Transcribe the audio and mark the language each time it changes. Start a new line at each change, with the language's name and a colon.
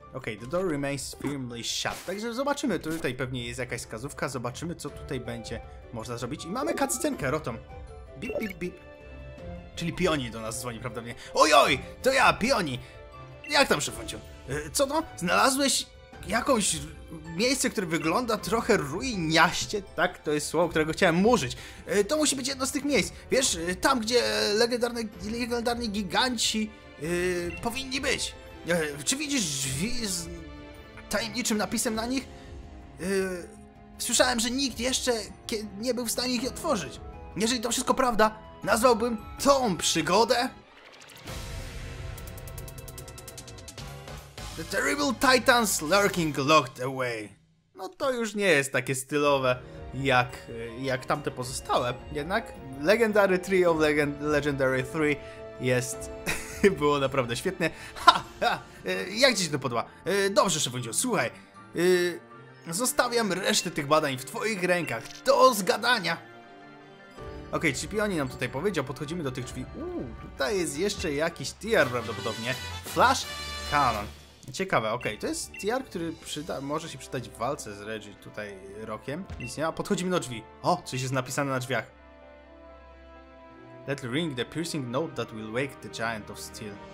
English: Ok, the door remains firmly shut.
Polish: Także zobaczymy, tutaj pewnie jest jakaś wskazówka. Zobaczymy, co tutaj będzie można zrobić. I mamy cutscenkę, Rotom. Bip, bip, bip. Czyli Pioni do nas dzwoni, prawda? Oj, oj, to ja, Pioni. Jak tam, szefunciu? Co to? Znalazłeś jakąś miejsce, które wygląda trochę ruiniaście? Tak, to jest słowo, którego chciałem użyć. To musi być jedno z tych miejsc. Wiesz, tam, gdzie legendarni giganci powinni być. Czy widzisz drzwi z tajemniczym napisem na nich? Słyszałem, że nikt jeszcze nie był w stanie ich otworzyć. Jeżeli to wszystko prawda, nazwałbym tą przygodę...
English: The Terrible Titans Lurking Locked Away.
Polish: No to już nie jest takie stylowe jak tamte pozostałe. Jednak Legendary Tree of Legendary 3 jest... Było naprawdę świetne. Jak ci się to podoba? Dobrze, szefunciu, słuchaj. Zostawiam resztę tych badań w twoich rękach. Do zgadania! Okej, czy Pioni nam tutaj powiedział, podchodzimy do tych drzwi. Tutaj jest jeszcze jakiś TR prawdopodobnie. Flash Cannon. Ciekawe, okej, to jest TR, który może się przydać w walce z Regi tutaj rokiem. Nic nie ma. Podchodzimy do drzwi. O, coś jest napisane na drzwiach.
English: Let ring the piercing note that will wake the Giant of Steel.